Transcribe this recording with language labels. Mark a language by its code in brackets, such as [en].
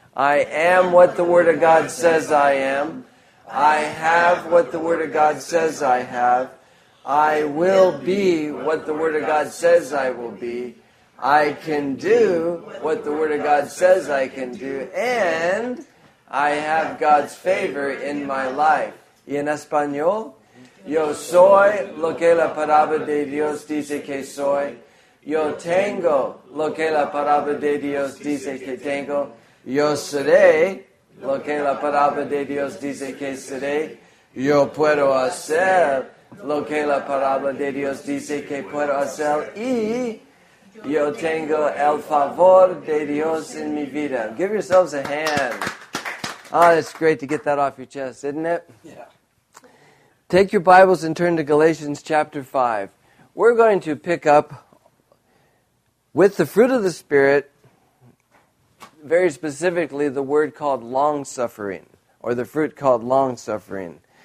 [en] I am what the Word of God says I am. I have what the Word of God says I have. I will be what the Word of God says I will be. I can do what the Word of God says I can do, and I have God's favor in my life. [es] ¿Y en español? Yo soy lo que la palabra de Dios dice que soy. Yo tengo lo que la palabra de Dios dice que tengo. Yo seré lo que la palabra de Dios dice que seré. Yo puedo hacer lo que la palabra de Dios dice que puedo hacer. Y yo tengo el favor de Dios en mi vida. [en] Give yourselves a hand. Ah, it's great to get that off your chest, isn't it? Yeah. Take your Bibles and turn to Galatians chapter 5. We're going to pick up with the fruit of the Spirit, very specifically the word called long-suffering, or the fruit called long-suffering.